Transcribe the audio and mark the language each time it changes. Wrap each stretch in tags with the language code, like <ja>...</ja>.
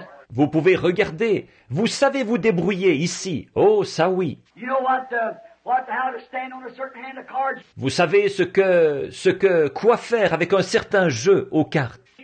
<fr>Vous pouvez regarder. Vous savez vous débrouiller ici. Oh, ça oui.</fr> <en>You know what, how to stand on a certain hand of cards.</en> <fr>Vous savez ce que quoi faire avec un certain jeu aux cartes.</fr>